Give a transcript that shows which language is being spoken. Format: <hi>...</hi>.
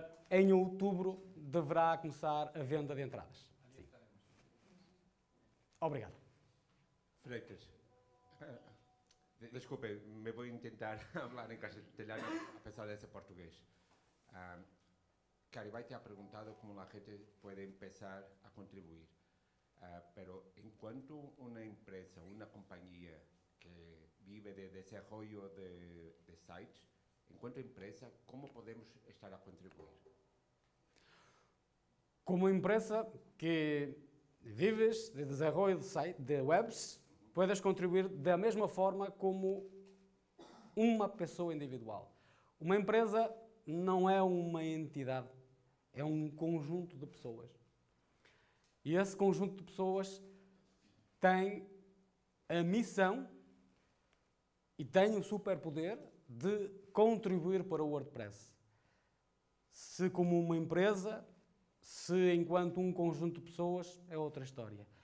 <pt>Em outubro deverá começar a venda de entradas. Sim. Obrigado. Freitas. Desculpe, me vou tentar falar em castelhano, apesar de ser português.</pt> <es>Caribay te ha preguntado cómo la gente puede empezar a contribuir, pero en cuanto una empresa, una compañía que vive de desarrollo de sites, en cuanto a empresa, ¿cómo podemos estar a contribuir? Como empresa que vives de desarrollo de sites, de webs, puedes contribuir de la misma forma como una persona individual. Una empresa no es una entidad.</es> <pt>É um conjunto de pessoas. E esse conjunto de pessoas tem a missão e tem o superpoder de contribuir para o WordPress. Se como uma empresa, se enquanto um conjunto de pessoas, é outra história.</pt>